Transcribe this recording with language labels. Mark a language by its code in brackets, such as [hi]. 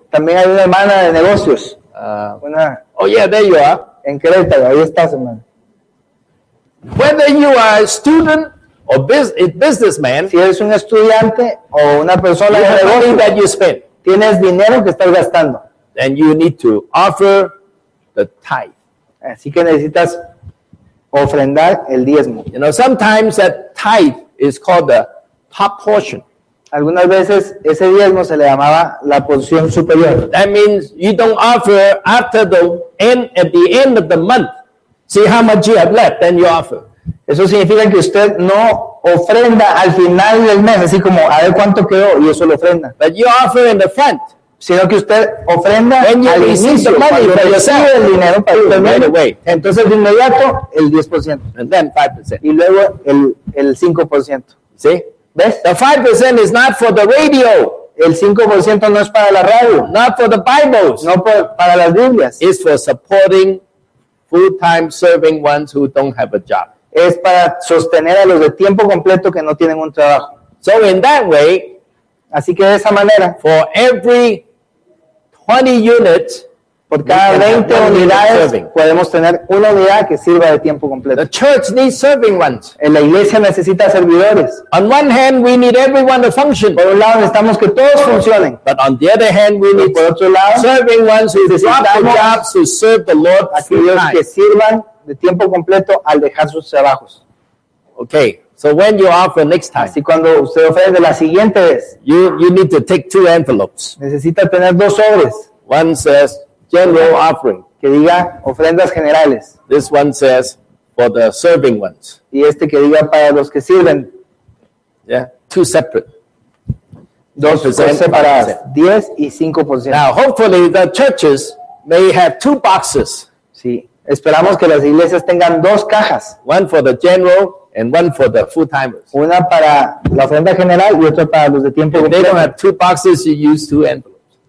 [es] También hay una hermana de negocios. [en] There you are. [es] En Querétaro, ahí estás, hermana. [en] Whether you are a student or businessman, [es] si eres un estudiante o una persona de negocios, [en] that you spend, [es] tienes dinero que estás gastando. [en] Then you need to offer the tithe. [es] Así que necesitas ofrendar el diezmo. [en] You know, sometimes that tithe is called the top portion. [es] Algunas veces ese diezmo se le llamaba la porción superior. [en] That means you don't offer after the end, at the end of the month. See how much you have left, then you offer. [es] Eso significa que usted no ofrenda al final del mes, así como a ver cuánto quedó y eso lo ofrenda. [en] But you offer in the front. [es] Sino que usted ofrenda al inicio para recibir el dinero para right usted away. Entonces de inmediato el 10%. [en] And then 5%. [es] Y luego el 5%. ¿Sí? ¿Ves? [en] The 5% is not for the radio. [es] El 5% no es para la radio. [en] Not for the Bibles. [es] No para las Biblias. [en] It's for supporting full-time serving ones who don't have a job. [es] Es para sostener a los de tiempo completo que no tienen un trabajo. [en] So in that way, [es] así que de esa manera, [en] for every 20 units, [es] por cada 20 unidades, podemos tener una unidad que sirva de tiempo completo. [en] The church needs serving ones. [es] En la iglesia necesita servidores. [en] On one hand, we need everyone to function. [es] Por un lado, necesitamos que todos funcionen. [en] But on the other hand, we need [es] por otro lado, [en] serving ones who drop their jobs to serve the Lord. [es] Aquellos [en] full-time. [es] Que sirvan de tiempo completo al dejar sus trabajos. [en] Okay. So when you offer next time, [es] así cuando usted ofrece la siguiente vez, [en] you need to take two envelopes. [es] Necesita tener dos sobres. [en] One says general offering. [es] Que diga ofrendas generales. [en] This one says for the serving ones. [es] Y este que diga para los que sirven. [en] Yeah, two separate. [es] Dos separadas. 10 y 5%. [en] Now, hopefully the churches may have two boxes. [es] Sí, esperamos que las iglesias tengan dos cajas. [en] One for the general and one for the full-timers. [es] Una para la ofrenda general y otra para los de tiempo completo. [en] If they don't have two boxes, you use two envelopes.